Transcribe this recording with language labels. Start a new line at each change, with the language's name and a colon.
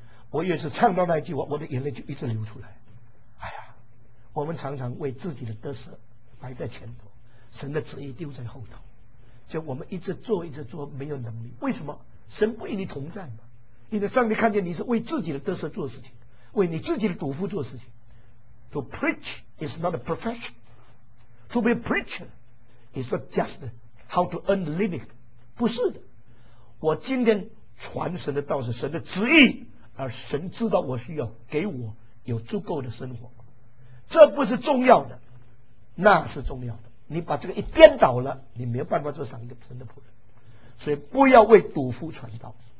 Chinese: 我越是唱到那一句，我的眼泪就一直流出来。哎呀，我们常常为自己的得失摆在前头，神的旨意丢在后头，就我们一直做一直做没有能力。为什么？神不与你同在吗？因为上帝看见你是为自己的得失做事情，为你自己的赌服做事情。
English: To preach is not a profession, to be a preacher is not just how to earn a living.
Chinese: 不是的，我今天传神的道是神的旨意，而神知道我需要给我有足够的生活，这不是重要的，那是重要的。你把这个一颠倒了，你没有办法做上一个神的仆人。所以不要为赌夫传道。